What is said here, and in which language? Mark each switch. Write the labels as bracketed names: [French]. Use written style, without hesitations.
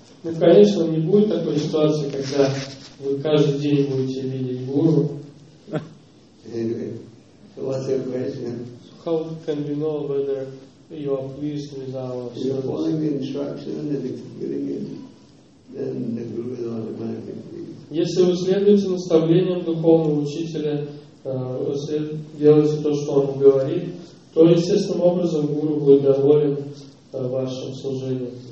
[Russian] Ну, конечно, не будет такой ситуации, когда вы каждый день будете видеть гуру. [English] How can we know whether you are pleased with our service? If you're following the instructions and executing it, then the guru is automatically pleased. [Russian] Если вы следуете наставлениям духовного учителя, если делаете то, что он говорит, то естественным образом гуру будет доволен вашим служением.